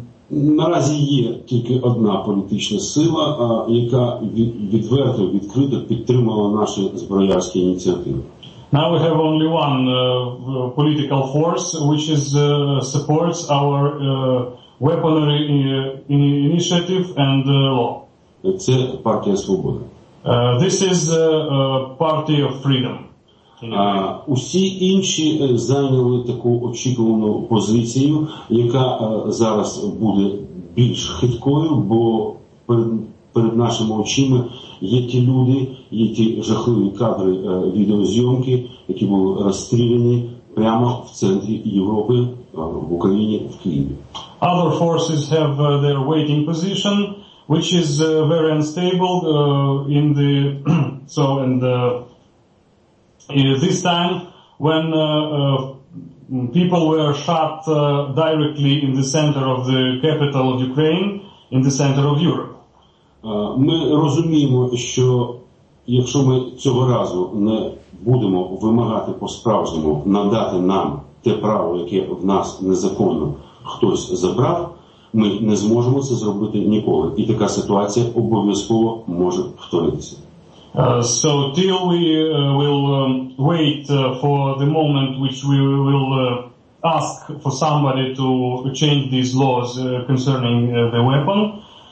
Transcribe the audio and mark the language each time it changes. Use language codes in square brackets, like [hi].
[uk] Наразі є тільки одна політична сила, яка відверто, відкрито підтримала наші зброярські ініціативи. [en] Now we have only one political force which is supports our weaponry initiative and law. [uk] Це партія Свободи. [en] This is a party of freedom. [uk] Усі інші зайняли таку очікувану позицію, яка зараз буде більш хиткою, бо перед нашими очима є ті люди, є ті жахливі кадри відеозйомки, які були розстріляні прямо в центрі Європи, в Україні, в Києві. [en] Other forces have their waiting position, which is very unstable in the so in the this time when people were shot directly in the center of the capital of Ukraine, in the center of Europe. [uk] Ми розуміємо, що якщо ми цього разу не будемо вимагати по-справжньому надати нам те право, яке в нас незаконно хтось забрав, ми не зможемо це зробити ніколи. І така ситуація обов'язково може повторитися. [en] So till we will wait for the moment which we will ask for somebody to change these laws concerning the weapon.